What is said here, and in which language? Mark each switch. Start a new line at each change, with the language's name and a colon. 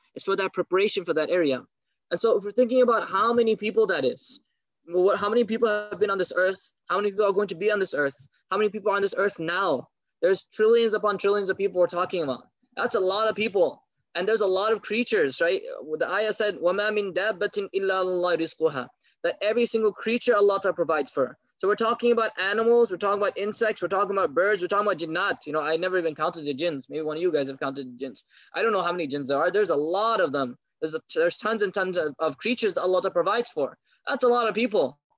English: It's for that preparation for that area. And so if we're thinking about how many people that is, how many people have been on this earth? How many people are going to be on this earth? How many people are on this earth now? There's trillions upon trillions of people we're talking about. That's a lot of people. And there's a lot of creatures, right? The ayah said,
Arabic: وَمَا مِن دَابَّةٍ إِلَّا اللَّهِ رِزْقُهَا.
English: That every single creature Allah Ta'ala provides for. So we're talking about animals, we're talking about insects, we're talking about birds, we're talking about jinnat. You know, I never even counted the jinns. Maybe one of you guys have counted the jinns. I don't know how many jinns there are. There's a lot of them. There's tons and tons of creatures that Allah Ta'ala provides for. That's a lot of people.